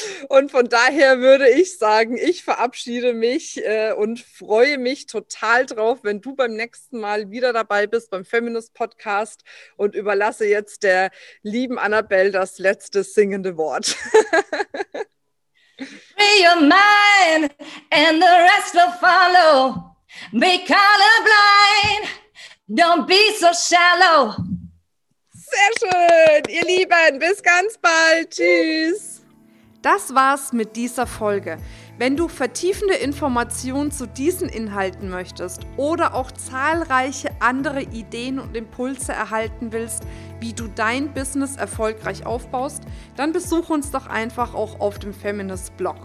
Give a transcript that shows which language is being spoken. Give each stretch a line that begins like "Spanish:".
German: Und von daher würde ich sagen, ich verabschiede mich und freue mich total drauf, wenn du beim nächsten Mal wieder dabei bist beim Feminist Podcast, und überlasse jetzt der lieben Annabelle das letzte singende Wort.
English: Free your mind and the rest will follow. Be colorblind, don't be so shallow.
German: Sehr schön, ihr Lieben, bis ganz bald. Tschüss. Das war's mit dieser Folge. Wenn du vertiefende Informationen zu diesen Inhalten möchtest oder auch zahlreiche andere Ideen und Impulse erhalten willst, wie du dein Business erfolgreich aufbaust, dann besuch uns doch einfach auch auf dem Feminist Blog.